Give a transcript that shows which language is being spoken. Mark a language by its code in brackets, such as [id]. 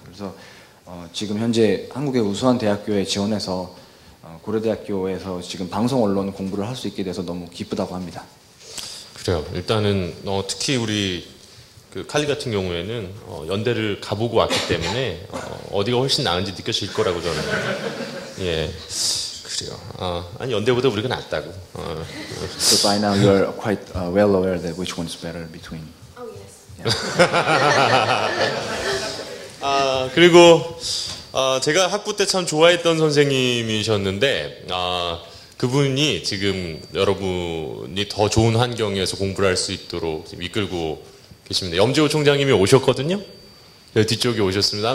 [ko] 그래서 지금 현재 한국의 우수한 대학교에 지원해서 고려대학교에서 지금 방송 언론 공부를 할 수 있게 돼서 너무 기쁘다고 합니다. 그래요. 일단은 특히 우리 그 칼리 같은 경우에는 연대를 가보고 왔기 때문에 어디가 훨씬 나은지 느껴질 거라고 저는 예 그래요 아니 연대보다 우리가 낫다고 [en] So by now you're quite well aware that which one's better between Oh yes yeah. [ko] 그리고 제가 학부 때 참 좋아했던 선생님이셨는데 그분이 지금 여러분이 더 좋은 환경에서 공부를 할 수 있도록 이끌고 계십니다. 염지호 총장님이 오셨거든요. 네, 뒤쪽에 오셨습니다.